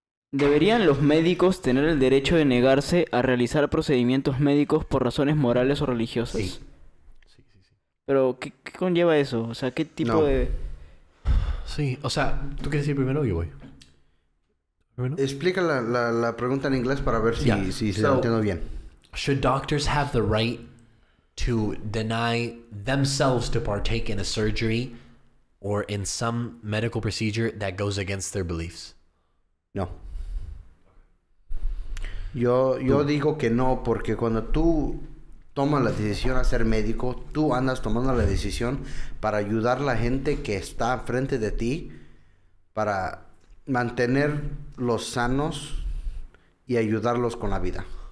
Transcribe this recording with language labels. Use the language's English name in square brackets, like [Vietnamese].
[Spanish] ¿Deberían los médicos tener el derecho de negarse a realizar procedimientos médicos por razones morales o religiosas? Sí. Sí, sí, sí. ¿Pero qué conlleva eso? O sea, ¿qué tipo de...? Sí, o sea, ¿tú quieres ir primero o yo voy? ¿Primero? Explica la pregunta en inglés para ver si la entiendo bien. [English] ¿Should doctors have the right to deny themselves to partake in a surgery or in some medical procedure that goes against their beliefs? [Spanish] No. Yo digo que no, porque cuando tú tomas la decisión a ser médico, tú andas tomando la decisión para ayudar a la gente que está frente de ti, para mantenerlos sanos y ayudarlos con la vida.